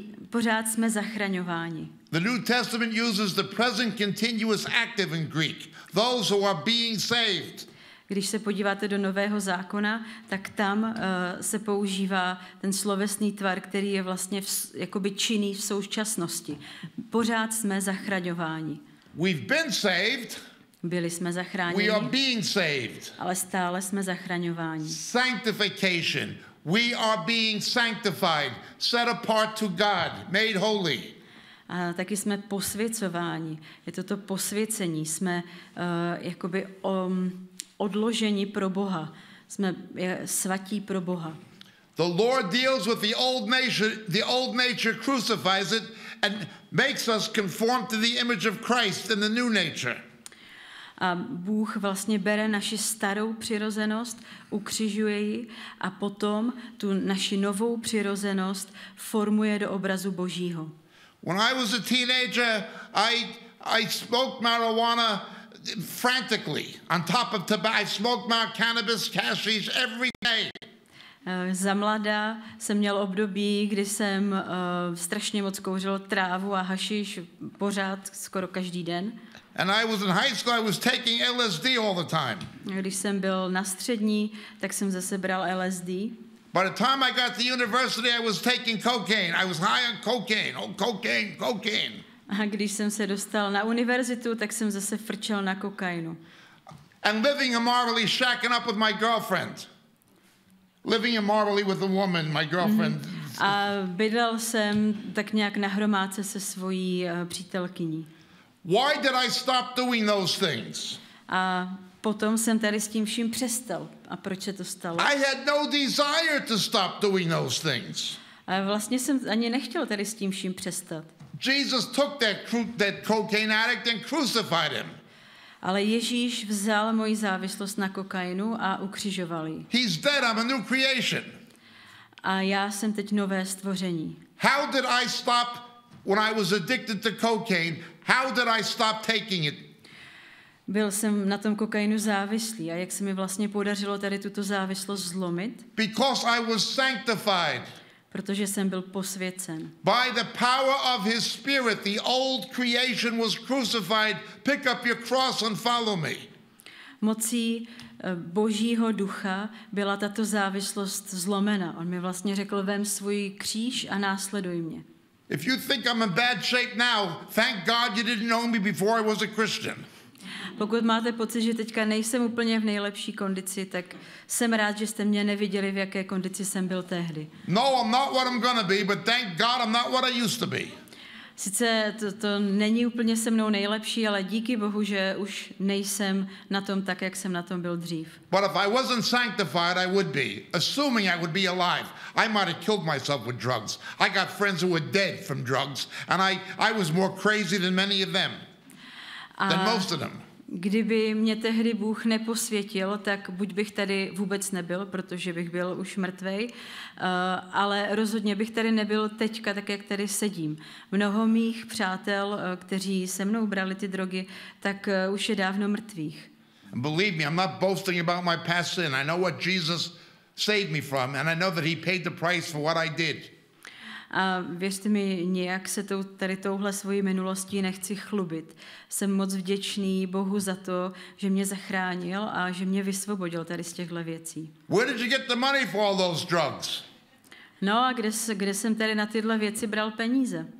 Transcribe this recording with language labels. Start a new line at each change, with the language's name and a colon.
Czech: Pořád jsme zachraňováni.
English: The New Testament uses the present continuous active in Greek. Those who are being saved.
Czech: Když se podíváte do Nového zákona, tak tam se používá ten slovesný tvar, který je vlastně jakoby činný v současnosti. Pořád jsme zachraňováni.
English: We've been saved.
Czech: Byli jsme zachráněni.
English: We are being saved.
Czech: Ale stále jsme zachraňováni.
English: Sanctification. We are being sanctified, set apart to God, made holy.
Czech: A taky jsme posvěcováni. Je to posvěcení. Jsme jakoby odloženi pro Boha. Jsme svatí pro Boha.
English: The Lord deals with the old nature crucifies it and makes us conform to the image of Christ in the new nature.
Czech: A Bůh vlastně bere naši starou přirozenost, ukřižuje ji a potom tu naši novou přirozenost formuje do obrazu Božího.
English: When I was a teenager, I smoked marijuana frantically. On top of tobacco, I smoked marijuana, cannabis, hashish every day.
Czech: Za mladá jsem měl období, kdy jsem strašně moc kouřil trávu a hašiš pořád skoro každý den.
English: And I was in high school, I was taking LSD all the time.
Czech: Když jsem byl na střední, tak jsem zase bral LSD.
English: By the time I got to university, I was taking cocaine. I was high on cocaine. Oh, cocaine, cocaine.
Czech: A když jsem se dostal na univerzitu, tak jsem zase frčel na kokainu.
English: And living immorally, shacking up with my girlfriend. Living immorally with a woman, my girlfriend.
Czech: A bydlel jsem tak nějak na hromádce se svojí přítelkyní.
English: Why did I stop doing those things?
Czech: A potom jsem tady s tím vším přestal. A proč se to stalo?
English: I had no desire to stop doing those things.
Czech: A vlastně jsem ani nechtěl tady s tím vším přestat.
English: Jesus took that cocaine addict and crucified him.
Czech: Ale Ježíš vzal moji závislost na kokainu a ukřižoval ji.
English: He's dead, I'm a new creation.
Czech: A já jsem teď nové stvoření.
English: How did I stop when I was addicted to cocaine? How did I stop taking it?
Czech: Byl jsem na tom kokainu závislý a jak se mi vlastně podařilo tady tuto závislost zlomit?
English: Because I was sanctified.
Czech: Protože jsem byl posvěcen.
English: By the power of his spirit the old creation was crucified. Pick up your cross and follow me.
Czech: Mocí Božího ducha byla tato závislost zlomena. On mi vlastně řekl: vem svůj kříž a následuj mě.
English: If you think I'm in bad shape now, thank God you didn't know me before I was a Christian.
Czech: Pokud máte pocit, že teďka nejsem úplně v nejlepší kondici, tak jsem rád, že jste mě neviděli, v jaké kondici jsem byl tehdy.
English: No, I'm not what I'm gonna be, but thank God I'm not what I used to be.
Czech: Sice to není úplně se mnou nejlepší, ale díky Bohu, že už nejsem na tom tak, jak jsem na tom byl dřív.
English: But if I wasn't sanctified, I would be. Assuming I would be alive, I might have killed myself with drugs. I got friends who were dead from drugs, and I was more crazy than many of them, than most of them.
Czech: Kdyby mě tehdy Bůh neposvětil, tak buď bych tady vůbec nebyl, protože bych byl už mrtvej, ale rozhodně bych tady nebyl teďka, tak jak tady sedím. Mnoho mých přátel, kteří se mnou brali ty drogy, tak už je dávno mrtvých.
English: Believe me, I'm not boasting about my past sin. I know what Jesus saved me from and I know that he paid the price for what I did.
Czech: A věřte mi, nějak se tady touhle svojí minulostí nechci chlubit. Jsem moc vděčný Bohu za to, že mě zachránil a že mě vysvobodil tady z těchto věcí.
English: Where did you get the money for all those drugs?
Czech: No a kde jsem tady na tyhle věci bral peníze?